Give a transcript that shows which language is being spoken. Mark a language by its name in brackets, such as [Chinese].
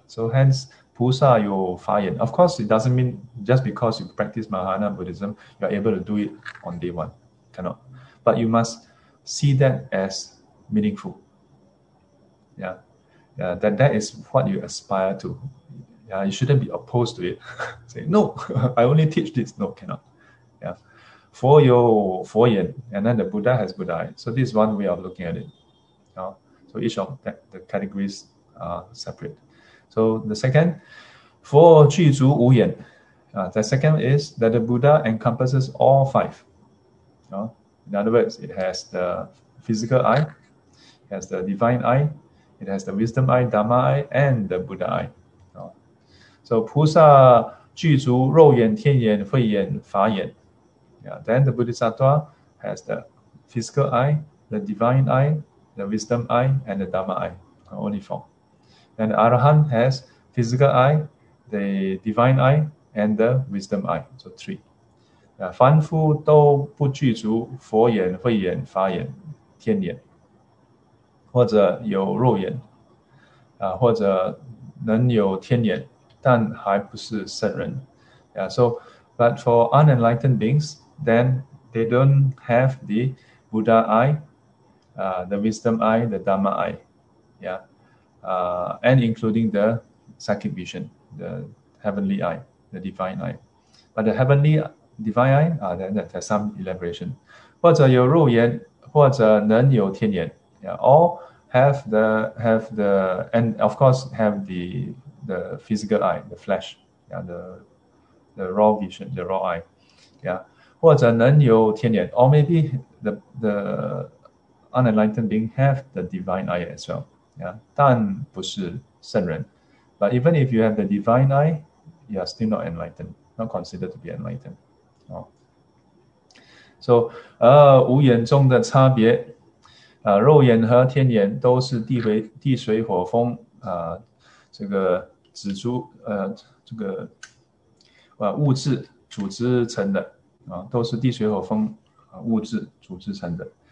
[Chinese] So hence, 菩萨有法眼. [English] Of course, it doesn't mean just because you practice Mahayana Buddhism, you are able to do it on day one. Cannot. But you must see that as meaningful. Yeah. Yeah. That is what you aspire to. Yeah. You shouldn't be opposed to it. Say, no, I only teach this. No, cannot. Yeah. [Chinese] 佛有佛眼. [English] And then the Buddha has Buddha eye. So this is one way of looking at it. Yeah. So each of the categories are separate. So the second, [Chinese] 佛具足无眼. [English] The second is that the Buddha encompasses all five. In other words, it has the physical eye, it has the divine eye, it has the wisdom eye, dharma eye, and the Buddha eye. [Chinese] So 菩萨具足肉眼、天眼、慧眼、法眼. [English] Yeah, then the bodhisattva has the physical eye, the divine eye, the wisdom eye, and the dharma eye, only four. And the arahant has physical eye, the divine eye, and the wisdom eye, so three. [Chinese] 凡夫都不具足佛眼、慧眼、法眼、天眼，或者有肉眼，或者能有天眼，但还不是圣人. [English] Yeah, so, but for unenlightened beings, then they don't have the Buddha eye, the wisdom eye, the Dharma eye, yeah, and including the psychic vision, the heavenly eye, the divine eye. But the heavenly divine eye, then that has some elaboration. [Chinese] 或者有肉眼, 或者能有天眼, [English] yeah, all have the and of course have the physical eye, the flesh, yeah, the raw vision, the raw eye, yeah. [Chinese] 或者能有天眼, [English] or maybe the unenlightened being have the divine eye as well, yeah. [Chinese] 但不是圣人. [English] But even if you have the divine eye, you are still not enlightened, not considered to be enlightened. [Chinese] So, 无眼中的差别, 肉眼和天眼都是地水火风, 这个紫珠, 这个, 物质组织成的, 都是地水火风, 物质组织成的.